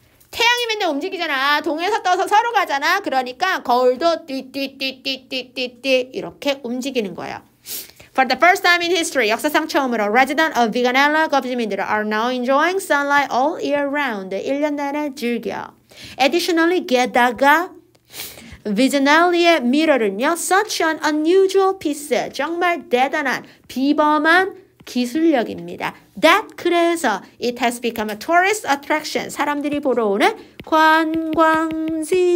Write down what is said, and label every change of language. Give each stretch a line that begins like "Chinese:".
Korean: 태양이 맨날 움직이잖아. 동에서 떠서 서로 가잖아. 그러니까 거울도 띠띠띠띠띠띠띠 이렇게 움직이는 거예요.
English: For the first time in history,
Korean: 역사상 처음으로
English: resident of Viganella
Korean: 거주민들
English: are now enjoying sunlight all year round.
Korean: 1년 내내 즐겨.
English: Additionally,
Korean: 게다가 Viganella의 미러는요,
English: such an unusual piece,
Korean: 정말 대단한 비범한 기술력입니다.
English: That
Korean: 그래서
English: it has become a tourist attraction.
Korean: 사람들이 보러 오는 관광지.